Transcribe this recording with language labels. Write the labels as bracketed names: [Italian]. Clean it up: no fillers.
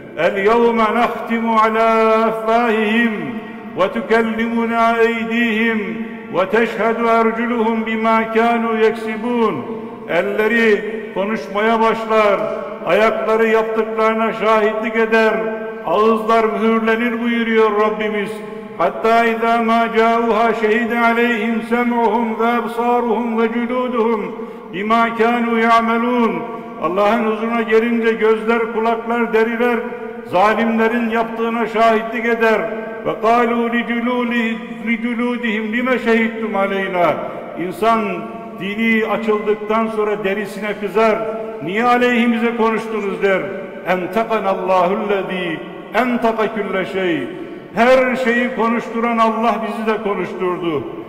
[Arabic] اَلْيَوْمَ نَخْتِمُ عَلٰى اَفْوَاهِهِمْ وَتُكَلِّمُنَا اَيْد۪يهِمْ وَتَشْهَدُ اَرْجُلُهُمْ بِمَا كَانُوا يَكْسِبُونَ [Turkish] Elleri konuşmaya başlar, ayakları yaptıklarına şahitlik eder, ağızlar mühürlenir buyuruyor Rabbimiz. [Arabic] حَتَّى اِذَا مَا جَاءُهَا شَهِدَ عَلَيْهِمْ سَمْعُهُمْ وَاَبْصَارُهُمْ وَجُلُودُهُمْ بِمَا كَانُوا يَعْمَلُونَ [Turkish] Allah'ın huzuruna gelince gözler, kulaklar, deriler zalimlerin yaptığına şahitlik eder. [Arabic] وَقَالُوا لِجُلُودِهِمْ لِمَ شَهِدْتُمْ عَلَيْنَا [Turkish] İnsan dili açıldıktan sonra derisine kızar. Niye aleyhimize konuştunuz der. [Arabic] اَنْتَقَنَ اللّٰهُ الَّذ۪ي اَنْتَقَ كُلَّ شَيْءٍ [Turkish] Her şeyi konuşturan Allah bizi de konuşturdu.